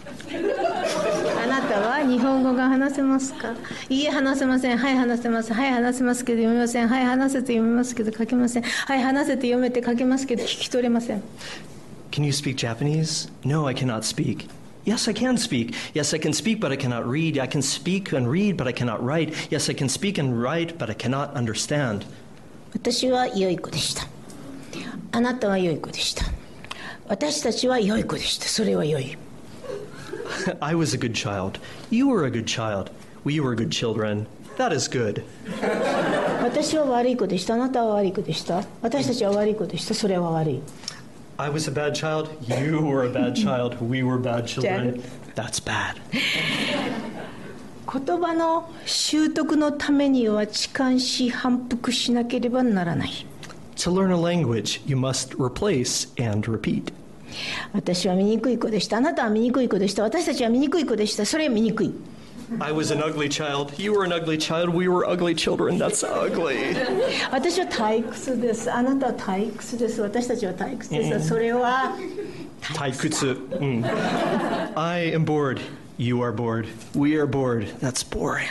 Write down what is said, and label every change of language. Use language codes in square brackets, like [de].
[ja] あなたは日本語が話せますか?いいえ、話せません。はい、話せます。はい、話せますけど読めません。はい、話せて読めますけど書けません。はい、話せて読めて書けますけど聞き取れません。 [en] Can you speak Japanese? No, I cannot speak. Yes, I can speak. Yes, I can speak, but I cannot read. I can speak and read, but I cannot write. Yes, I can speak and write, but I cannot understand. [ja] 私は良い子でした。あなたは良い子でした。私たちは良い子でした。それは良い。 [en] I was a good child. You were a good child. We were good children. That is good. [ja] 私は悪い子でした。あなたは悪い子でした。私たちは悪い子でした。それは悪い。 [en] I was a bad child. You were a bad child. We were bad children. That's bad. [ja] 言葉の習得のためには痴漢し反復しなければならない。 [en] To learn a language, you must replace and repeat. [ja] 私は醜い子でした。あなたは醜い子でした。私たちは醜い子でした。それは醜い。 [en] I was an ugly child. You were an ugly child. We were ugly children. That's ugly. [ja] 私は退屈です。あなたは退屈です。私たちは退屈です。Mm-hmm. それは退屈だ。退屈。 [en] Mm. I am bored. You are bored. We are bored. That's boring.